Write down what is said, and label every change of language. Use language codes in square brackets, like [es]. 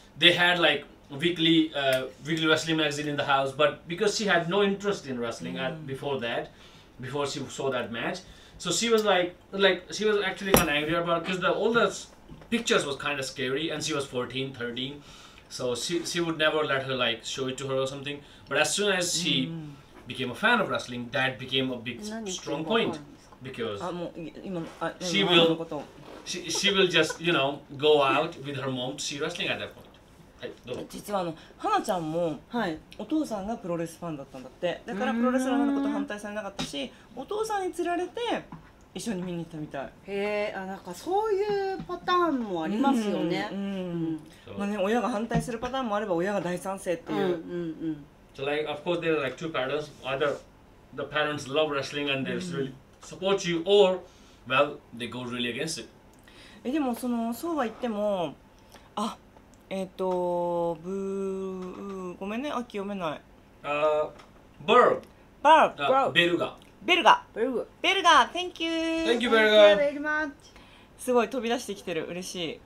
[en] They had like weekly, weekly wrestling magazine in the house, but because she had no interest in wrestling at, before that, before she saw that match, so she was like she was actually kind of angry about it, because the, all the pictures was kind of scary, and she was 14, 13, so she would never let her like show it to her or something. But as soon as she became a fan of wrestling, that became a big, strong point. Because she will just, you know, go out with her mom to see wrestling at that point. [ja] はい、実はあの、はなちゃんも、はい、お父さんがプロレスファンだったんだって。だからプロレスラーになること反対されなかったし、お父さんに連られて一緒に見に行ったみたい。へえ、あ、なんかそういうパターンもありますよね。まあね、親が反対するパターンもあれば、親が大賛成っていう。 [en] So like, of course, there are like two patterns. Either the parents love wrestling and they're really... support you or well they go really against it. [ja] え、でもそのそうは言っても、あ、ブーごめんね、あ、秋読めない。バーグ。バーグ。ベルガ。ベルガ。ベルガ。 [en] ベルガ。Thank you. Thank you, Berga. Thank you very much. [ja] すごい飛び出してきてる、嬉しい。